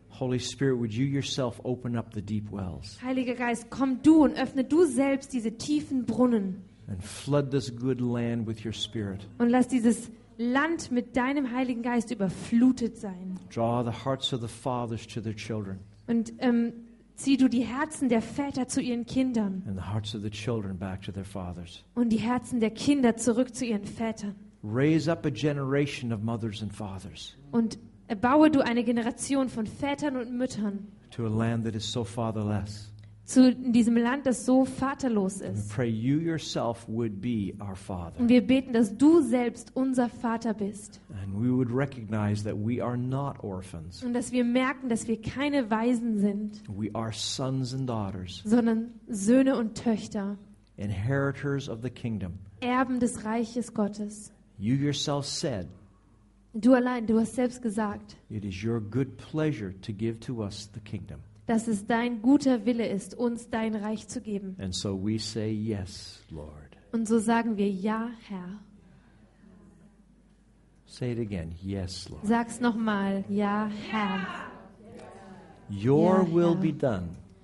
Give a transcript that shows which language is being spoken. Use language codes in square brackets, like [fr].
[en] Holy Spirit, would you yourself open up the deep wells? [de] Heiliger Geist, komm du und öffne du selbst diese tiefen Brunnen. [en] And flood this good land with your spirit. [de] Und lass dieses Land mit deinem Heiligen Geist überflutet sein. [en] Draw the hearts of the fathers to their children. [de] Und zieh du die Herzen der Väter zu ihren Kindern. [en] And the hearts of the children back to their fathers. [de] Und die Herzen der Kinder zurück zu ihren Vätern. [en] Raise up a generation of mothers and fathers. [de] Und erbaue du eine Generation von Vätern und Müttern. [en] To a land that is so fatherless. [de] Zu diesem Land, das so vaterlos ist. [en] And pray you yourself would be our father. [de] Und wir beten, dass du selbst unser Vater bist. [en] And we would recognize that we are not orphans. [de] Und dass wir merken, dass wir keine Waisen sind. [en] We are sons and daughters. [de] Sondern Söhne und Töchter. [en] Inheritors of the kingdom. [de] Erben des Reiches Gottes. [en] You yourself said. [de] Du allein, du hast selbst gesagt. [en] It is your good pleasure to give to us the kingdom. [de] Dass es dein guter Wille ist, uns dein Reich zu geben. [en] And so we say yes, Lord. [de] Und so sagen wir ja, Herr. [en] Say it again, yes, Lord. [de] Sag's nochmal, ja, Herr. [en] Your ja, will Herr. Be done.